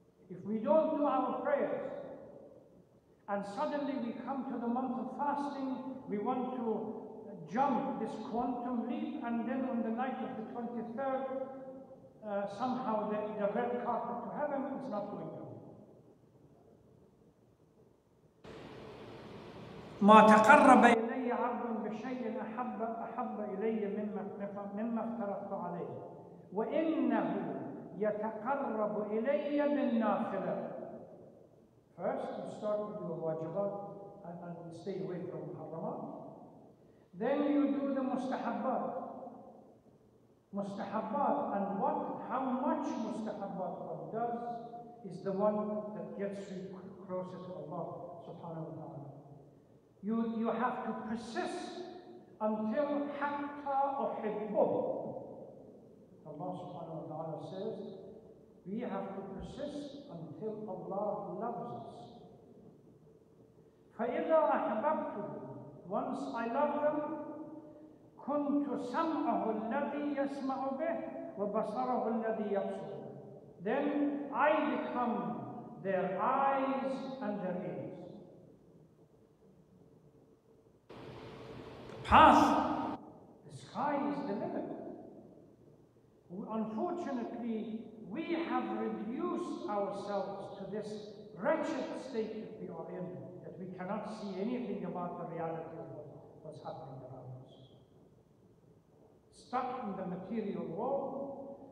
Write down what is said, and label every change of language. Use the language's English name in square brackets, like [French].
[English] If we don't do our prayers, and suddenly we come to the month of fasting, we want to jump this quantum leap, and then on the night of the 23rd, somehow the red carpet to heaven is not going to. [Arabic] ما تقرب إلي عبد بشيء أحب إلي مما افترضت عليه وإنه يتقرب إلي بالنافلة. [English] First, you start with your wajibat and stay away from haramat. Then you do the mustahabbat. Mustahabbat, and what, how much mustahabbat one does is the one that gets you closer to Allah subhanahu wa ta'ala. You have to persist until [Arabic] hatta uhibbu. [English] Allah subhanahu wa ta'ala says, we have to persist until Allah loves us. [Arabic] فَإِذَا أَحْبَبْتُهُ, [English] once I love them, [Arabic] كُنْتُ سَمْعَهُ الَّذِي يَسْمَعُ بِهِ وَبَصَرَهُ الَّذِي يَبْصُرُ. [English] Then I become their eyes and their ears. Path! The sky is the limit. Unfortunately, we have reduced ourselves to this wretched state that we are in, that we cannot see anything about the reality of what's happening around us. Stuck in the material world,